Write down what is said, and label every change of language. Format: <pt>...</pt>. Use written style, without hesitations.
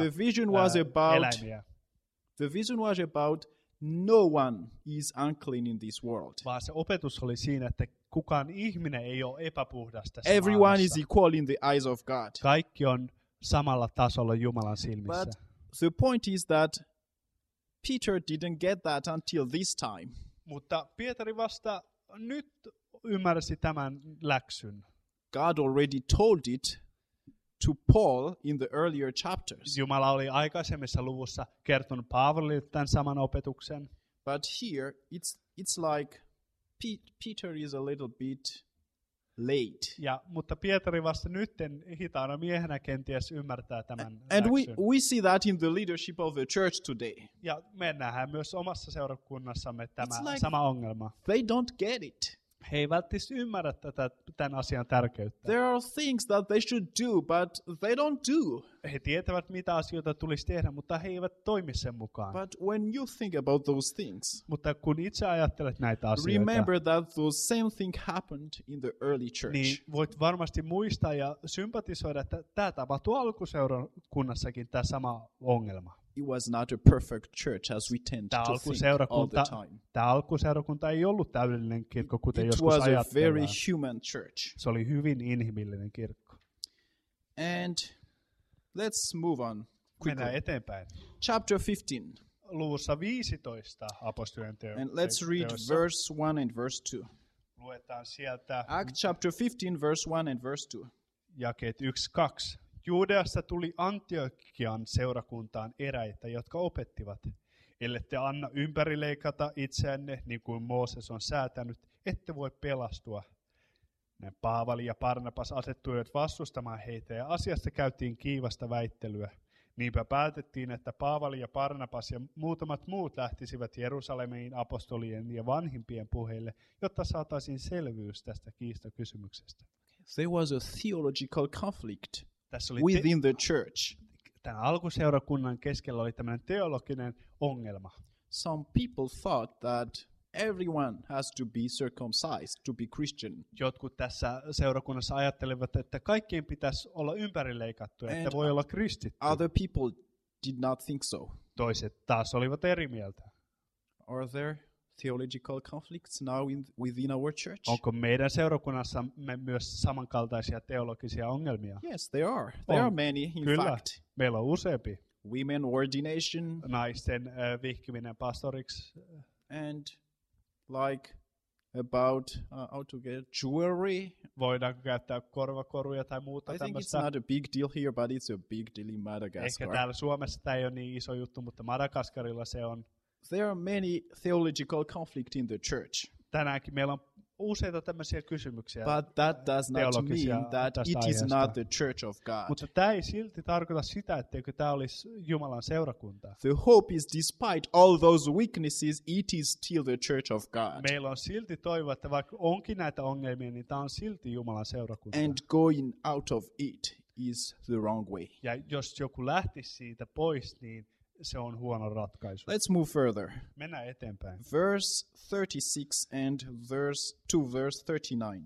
<en>the vision was about</en> <fi>eläimiä.</fi> <en>The vision was about no one is unclean in this world.</en> <fi>Vaan se opetus oli siinä, että kukaan ihminen ei ole epäpuhdas tässä</fi> <en>Everyone</en> <fi>maailmassa.</fi> <en>Is equal in the eyes of God.</en> <fi>Kaikki on samalla tasolla Jumalan silmissä.</fi> <en>But the point is that Peter didn't get that until this time.</en> <fi>Mutta Pietari vasta nyt ymmärsi tämän läksyn.</fi> <en>God already told it to Paul in the earlier chapters.</en> <fi>Jumala oli aikaisemmissa luvussa kertonut Paavalille tämän saman opetuksen.</fi> <en>But here it's like Peter is a little bit late.</en> <fi>Ja mutta Pietari vasta nytten hitaana miehenä kenties ymmärtää tämän läksyn.</fi> <en>And we see that in the leadership of the church today.</en> <fi>Ja me nähdään myös omassa seurakunnassamme tämä sama ongelma.</fi> <en>They don't get it.</en> <fi>He eivät välttämättä ymmärrä tämän asian tärkeyttä.</fi> <en>There are things that they should do, but they don't do.</en> <fi>He tietävät, mitä asioita tulisi tehdä, mutta he eivät toimi sen mukaan.</fi> <en>But when you think about those things,</en> <fi>mutta kun itse ajattelet näitä asioita,</fi> <en>remember that the same thing happened in the early church.</en> <fi>Niin voit varmasti muistaa ja sympatisoida, että tämä tapahtui alkuseurakunnassakin, tämä sama ongelma.</fi> <en>It was not a perfect church as we tend to think all the time.</en> <fi>Tämä alkuseurakunta ei ollut täydellinen kirkko, kuten</fi> <en>it</en> <fi>joskus</fi> <en>was</en> <fi>ajattelemme.</fi> <en>A very human church.</en> <fi>Se oli hyvin inhimillinen kirkko.</fi> <en>And let's move on quickly.</en> <fi>Mennään eteenpäin.</fi> <en>Chapter 15.</en> <fi>Luvussa 15 apostolien teossa.</fi> <en>And let's read verse 1 and verse 2.</en> <fi>Luetaan sieltä.</fi> <en>Acts chapter 15, verse 1 and verse 2.</en> <fi>Jakeet 1-2. Juudeasta tuli Antiokian seurakuntaan eräitä, jotka opettivat, ellette anna ympärileikata itseänne, niin kuin Mooses on säätänyt, ette voi pelastua. Ne Paavali ja Barnabas asettuivat vastustamaan heitä ja asiasta käytiin kiivasta väittelyä. Niinpä päätettiin, että Paavali ja Barnabas ja muutamat muut lähtisivät Jerusalemiin apostolien ja vanhimpien puheille, jotta saataisiin selvyys tästä kiistakysymyksestä.</fi> <en>There was a theological conflict. Within the church.</en> <fi>Tämän alkuseurakunnan keskellä oli tämmöinen teologinen ongelma.</fi> <en>Some people thought that everyone has to be circumcised to be Christian.</en> <fi>Jotkut tässä seurakunnassa ajattelivat, että kaikkien pitäisi olla ympärileikattu, että voi olla kristitty.</fi> <en>Other people did not think so.</en> <fi>Toiset taas olivat eri mieltä.</fi> <en>Are there theological conflicts now within our church?</en> <fi>Onko meidän seurakunnassamme myös samankaltaisia teologisia ongelmia?</fi> <en>Yes, there are. There are many, in</en> <fi>kyllä,</fi> <en>fact.</en> <fi>Meillä on useampi.</fi> <en>Women ordination.</en> <fi>Naisten vihkiminen pastoriksi.</fi> <en>And like about how to get jewelry.</en> <fi>Voidaanko käyttää korvakoruja tai muuta</fi> <en>I</en> <fi>tämmöistä.</fi> <en>I think it's not a big deal here, but it's a big deal in Madagascar.</en> <fi>Ehkä täällä Suomessa tämä ei ole niin iso juttu, mutta Madagaskarilla se on.</fi> <en>There are many theological conflicts in the church.</en> <fi>Tänäänkin meillä on useita tämmöisiä kysymyksiä.</fi> <en>But that does not mean that it is not the church of God.</en> <fi>Mutta tämä ei silti tarkoita sitä, etteikö tämä olisi Jumalan seurakunta.</fi> <en>The hope is despite all those weaknesses, it is still the church of God.</en> <fi>Meillä on silti toivo, että vaikka onkin näitä ongelmia, niin tämä on silti Jumalan seurakunta.</fi> <en>And going out of it is the wrong way.</en> <fi>Ja jos joku lähtisi siitä pois, niin se on huono ratkaisu.</fi> <en>Let's move further.</en> <fi>Mennään eteenpäin.</fi> <en>Verse 36 and verse 2, verse 39.</en>